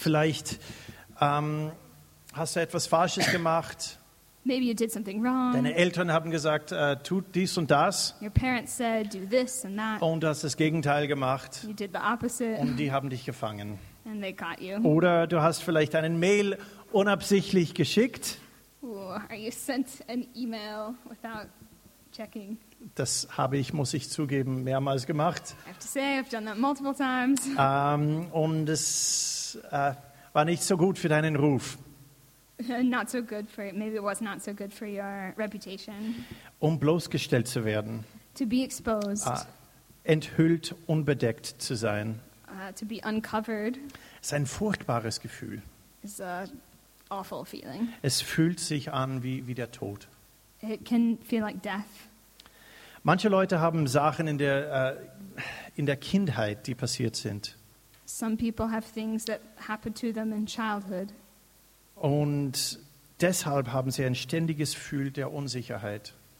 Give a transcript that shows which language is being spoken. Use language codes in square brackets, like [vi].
[de] Vielleicht hast du etwas Falsches gemacht? [en] Maybe you did something wrong. [de] Deine Eltern haben gesagt, tut dies und das. [en] Your parents said, do this and that. [de] Und hast das Gegenteil gemacht. [en] You did the opposite. [de] Und die haben dich gefangen. [en] And they caught you. [de] Oder du hast vielleicht einen Mail unabsichtlich geschickt. [en] Ooh, are you sent an email without checking? [de] Das habe ich, muss ich zugeben, mehrmals gemacht. [en] I have to say, I've done that multiple times. [de] Und es war nicht so gut für deinen Ruf. [en] Not so good for, maybe it was not so good for your reputation. [de] Um bloßgestellt zu werden. [en] To be exposed. [de] Enthüllt, unbedeckt zu sein. [en] To be uncovered. [de] Ist ein furchtbares Gefühl. [en] It's an awful feeling. [de] Es fühlt sich an wie der Tod. [en] It can feel like death. [de] Manche Leute haben Sachen in der Kindheit, die passiert sind. [en] Some people have things that happened to them in childhood. [de] Und deshalb haben sie ein ständiges Gefühl der Unsicherheit.